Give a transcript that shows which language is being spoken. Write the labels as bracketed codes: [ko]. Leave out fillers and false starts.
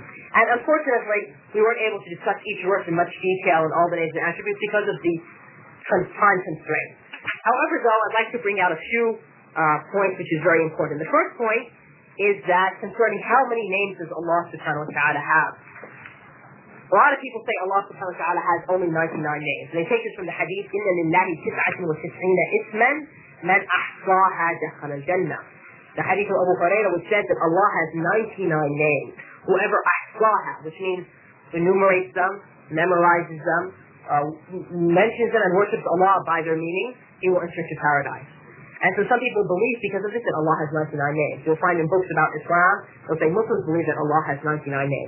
[en] And unfortunately, we weren't able to discuss each verse in much detail in all the names and attributes because of the time constraints. However, though, I'd like to bring out a few points, which is very important. The first point is that concerning how many names does Allah subhanahu wa ta'ala have. A lot of people say Allah subhanahu wa ta'ala has only 99 names. And they take this from the hadith, [ar] إِنَّ لِلَّهِ تِسْعَةٍ وَتِسْعِينَ إِسْمًا مَنْ أَحْصَاهَا دَخَلَ الْجَنَّةِ. [en] The hadith of Abu Hurairah, which says that Allah has 99 names. Whoever أَحْصَاهَا, which means enumerates them, memorizes them, mentions them and worships Allah by their meaning, he will enter into paradise. And so some people believe because of this that Allah has 99 names. You'll find in books about Islam, they'll say Muslims believe that Allah has 99 names.